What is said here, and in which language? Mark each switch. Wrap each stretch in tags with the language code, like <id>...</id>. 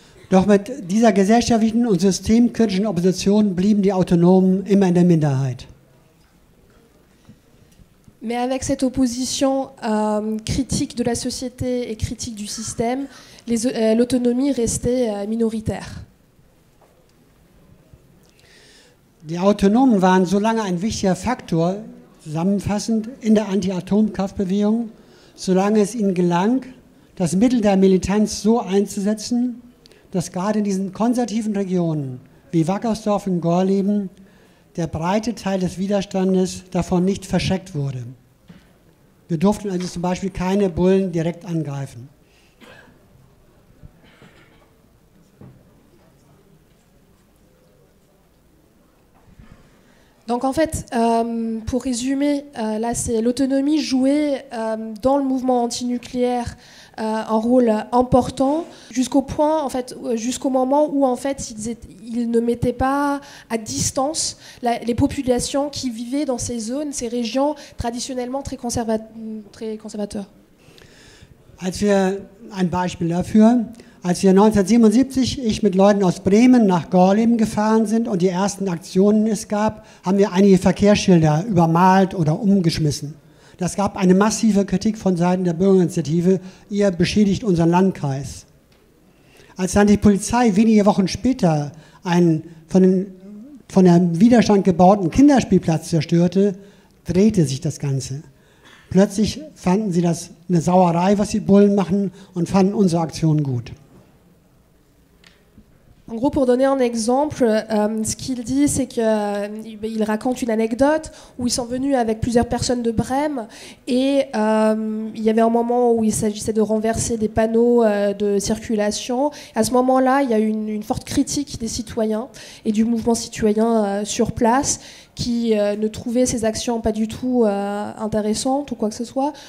<de>Doch mit dieser gesellschaftlichen und systemkritischen Opposition blieben die Autonomen immer in der Minderheit.</de> <fr>Mais avec cette opposition critique de la société et critique du système, l'autonomie restait minoritaire.</fr> <de>Die Autonomen waren so lange ein wichtiger Faktor, zusammenfassend, in der Anti-Atomkraftbewegung, solange es ihnen gelang, das Mittel der Militanz so einzusetzen, dass gerade in diesen konservativen Regionen wie Wackersdorf und Gorleben der breite Teil des Widerstandes davon nicht verschreckt wurde. Wir durften also zum Beispiel keine Bullen direkt angreifen.</de> <fr>Donc en fait, pour résumer, là c'est l'autonomie jouée dans le mouvement antinucléaire un rôle important jusqu'au point, en fait, jusqu'au moment où en fait ils ne mettaient pas à distance les populations qui vivaient dans ces zones, ces régions traditionnellement très conservateurs.</fr> <de>Als wir ein Beispiel dafür, als wir 1977 ich mit Leuten aus Bremen nach Gorleben gefahren sind und die ersten Aktionen es gab, haben wir einige Verkehrsschilder übermalt oder umgeschmissen. Das gab eine massive Kritik von Seiten der Bürgerinitiative, ihr beschädigt unseren Landkreis. Als dann die Polizei wenige Wochen später einen von dem Widerstand gebauten Kinderspielplatz zerstörte, drehte sich das Ganze. Plötzlich fanden sie das eine Sauerei, was die Bullen machen, und fanden unsere Aktion gut.</de> <fr>En gros, pour donner un exemple, ce qu'il dit, c'est qu'il raconte une anecdote où ils sont venus avec plusieurs personnes de Brême et il y avait un moment où il s'agissait de renverser des panneaux de circulation. À ce moment-là, il y a eu une forte critique des citoyens et du mouvement citoyen sur place qui ne trouvaient ces actions pas du tout intéressantes ou quoi que ce soit.</fr>